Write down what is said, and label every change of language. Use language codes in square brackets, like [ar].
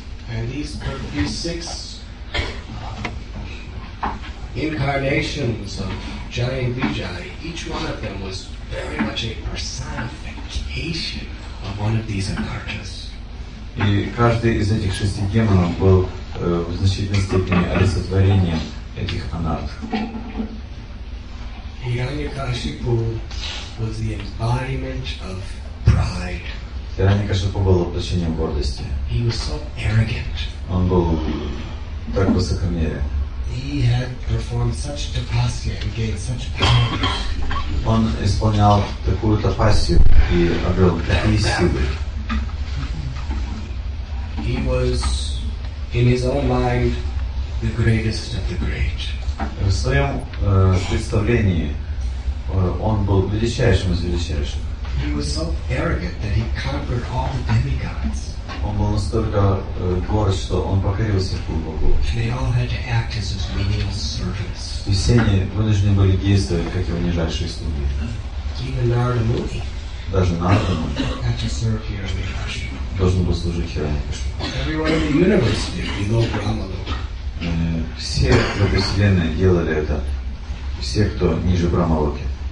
[en] And these six incarnations of Jaya Vijaya, each one of them was very much a personification of one of these akarchas. [ru] И каждый из этих шести демонов был в значительной степени олицетворением этих анарт. [en] Hiranyakashipu was the embodiment of pride. [ru] Hiranyakashipu был воплощением гордости. [en] He was so arrogant. [ru] Он был так высокомерен. [en] He had performed such tapasya and gained such power. [ru] Он исполнял такую тапасию и обрел такие силы. [en] He was, in his own mind, the greatest of the great. [ru] В своем представлении он был величайшим из величайших. [en] He was so arrogant that he conquered all the demigods. [ru] Он был настолько горд, что он покорился Богу. [en] They all had to act as his menial servants. [ru] И все они вынуждены были действовать как его нижайшие слуги. [en] Even Narada Muni. [ru] Даже Нарада Муни. [en] Had to serve Hiranyakashipu. [ru] Должен был служить Хиранякашипу. [en] Everyone in the universe did, below Brahma Loka. [ru] Все в этой вселенной делали это. Все, кто ниже Брахма Локи.